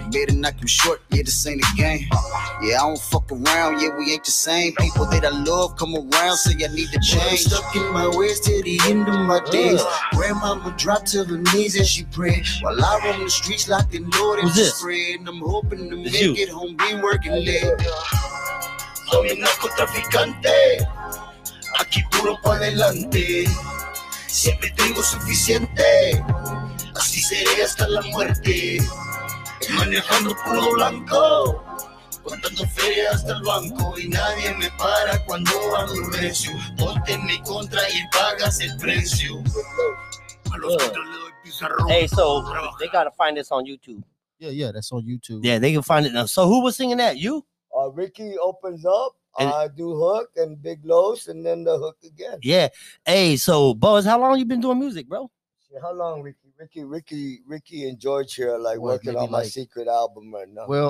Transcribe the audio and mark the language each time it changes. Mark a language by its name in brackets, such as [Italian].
[English] You better not come short, yeah, this ain't a game. Yeah, I don't fuck around, yeah, we ain't the same. People that I love come around, say I need to change. Well, I'm stuck in my ways till the end of my days. Grandmama dropped to the knees as she prayed. While I roam the streets locked in Lord and spread. I'm hoping to make it home, be working late. [Spanish] Soy un narcotraficante. Aquí puro pa' adelante. Siempre tengo suficiente. Así seré hasta la muerte. Manejando puro blanco. Contando feria hasta el banco. Y nadie me para cuando adormecio. Ponte en mi contra y pagas el precio. A los otros le doy pizarro. [English] Hey, so they gotta find this on YouTube. Yeah, that's on YouTube. Yeah, they can find it now. So who was singing that? You? Ricky opens up. I do hook and Big Lose, and then the hook again. Yeah. Hey, so Boaz, how long you been doing music, bro? How long, Ricky? Ricky and George here are like working on my secret album right now.